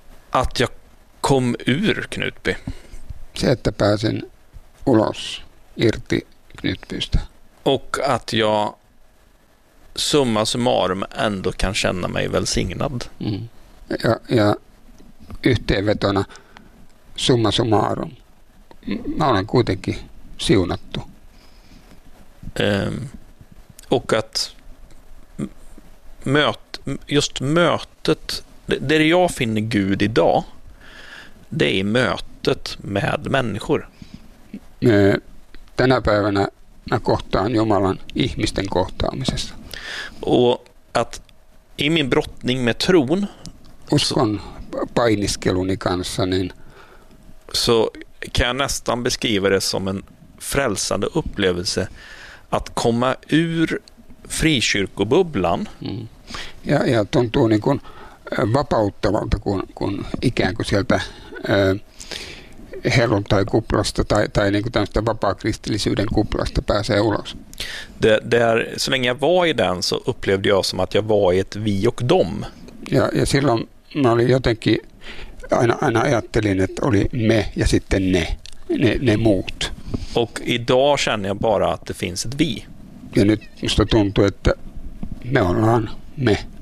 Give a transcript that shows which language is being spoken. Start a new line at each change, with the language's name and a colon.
Swedish: Att jag kom ur Knutby.
Finnish: Se
Swedish: att jag
Finnish: pääsin ulos irti Knutbysta.
Swedish: Och att jag summa summarum ändå kan känna mig välsignad. Mm.
Finnish: Ja yhteenvetona summa summarum. Mä olen kuitenkin siunattu.
Swedish: Och att just mötet, där jag finner Gud idag, det är mötet med människor.
Finnish: Denna päivänä mä kohtaan Jumalan ihmisten kohtaamisessa.
Swedish: Och att i min brottning med tron,
Finnish: uskon painiskeluni kanssa, niin
Swedish: så kan jag nästan beskriva det som en frälsande upplevelse att komma ur frikyrkobubblan.
Finnish: Ja tuntuu niin kuin vapauttavalta, kun ikään kuin sieltä herron tai kuplasta tai niin kuin tämmöistä vapaakristillisyyden kuplasta pääsee ulos.
Swedish: Där, så länge jag var i den så upplevde jag som att jag var i ett vi och dom.
Finnish: Ja silloin mä olin jotenkin, aina ajattelin, että oli me ja sitten ne muut.
Swedish: Och idag känner jag bara att det finns ett vi.
Finnish: Ja nyt musta tuntuu, että me ollaan me.